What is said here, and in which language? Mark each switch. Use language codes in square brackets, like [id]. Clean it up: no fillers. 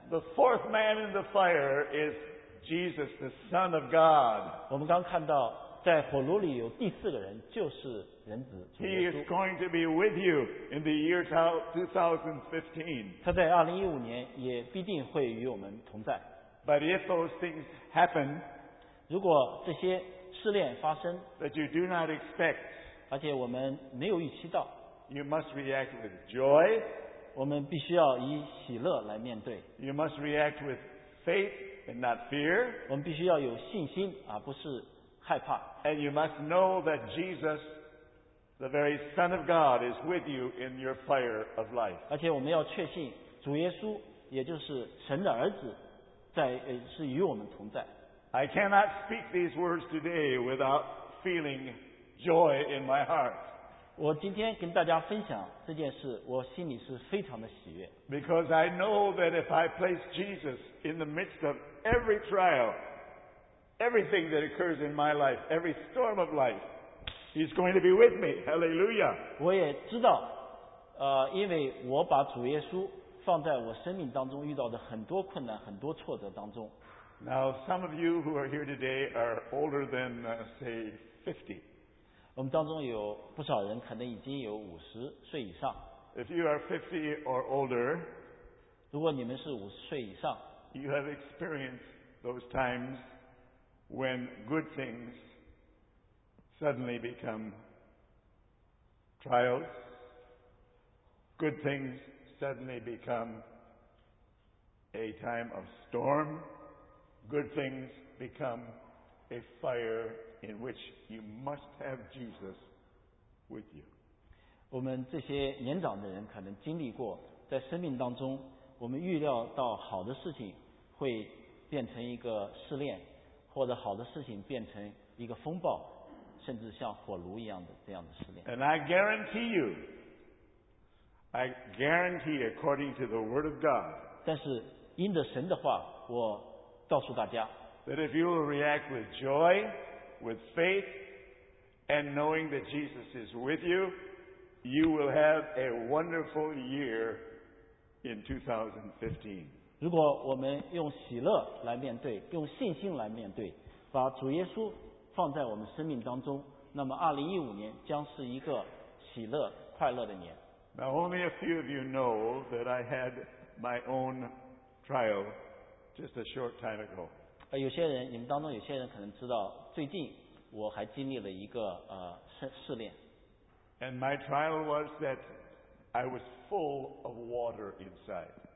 [en] The fourth man in the fire is Jesus, the Son of God. [zh] 我们刚看到，在火炉里有第四个人，就是人子主耶稣。 [en] He is going to be with you in the year 2015. [zh] 他在2015年也必定会与我们同在。 [en] But if those things happen, [zh] 如果这些试炼发生 [en] that you do not expect, [zh] 而且我们没有预期到 [en] you must react with joy, [zh] 我们必须要以喜乐来面对 [en] you must react with faith and not fear, [zh] 我们必须要有信心而不是害怕 [en] and you must know that Jesus, the very Son of God, is with you in your fire of life. [zh] 而且我们要确信主耶稣也就是神的儿子在是与我们同在。 [en] I cannot speak these words today without feeling joy in my heart. [zh] 我今天跟大家分享这件事，我心里是非常的喜悦。 [en] Because I know that if I place Jesus in the midst of every trial, everything that occurs in my life, every storm of life, He's going to be with me. Hallelujah. [zh] 我也知道，因为我把主耶稣放在我生命当中遇到的很多困难、很多挫折当中。 [en] Now, some of you who are here today are older than, say, 50. [zh] 我们当中有不少人可能已经有50岁以上。 [en] If you are 50 or older, [zh] 如果你们是50岁以上, [en] you have experienced those times when good things suddenly become trials, good things suddenly become a time of storm,Good things become a fire in which you must have Jesus with you. [zh] 我们这些年长的人可能经历过，在生命当中，我们预料到好的事情会变成一个试炼，或者好的事情变成一个风暴，甚至像火炉一样的这样的试炼。 [en] And I guarantee you, I guarantee according to the Word of God. [zh] 但是因着神的话，我告诉大家 [en] that if you will react with joy, with faith, and knowing that Jesus is with you, you will have a wonderful year in 2015. [zh] 如果我们用喜乐来面对，用信心来面对，把主耶稣放在我们生命当中，那么2015年将是一个喜乐快乐的年。 [en] Now only a few of you know that I had my own trial. Just a short time ago. [zh] 有些人，你们当中有些人可能知道，最近我还经历了一个试炼。 [en] And my trial was that I was full of water inside.